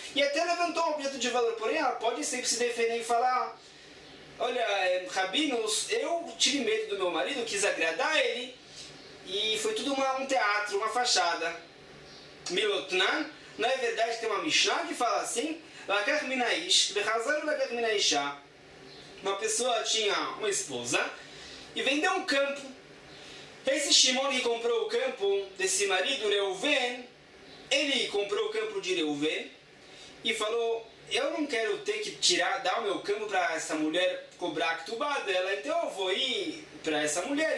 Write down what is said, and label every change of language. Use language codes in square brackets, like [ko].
[pt] E até levantou um objeto de valor, porém ela pode sempre se defender e falar: olha, Rabinos, eu tive medo do meu marido, quis agradar ele e foi tudo um teatro, uma fachada. Milotnan, não é verdade, tem uma Mishnah que fala assim? [he] לקח מן האיש, וחזר ולקח מן האישה. [pt] והפסוה tinha uma esposa, e vendeu um campo. Esse Shimon que comprou o campo desse marido, Reuven, ele comprou o campo de Reuven e falou: eu não quero ter que tirar, dar o meu campo para essa mulher cobrar a ktubá dela, então eu vou ir para essa mulher.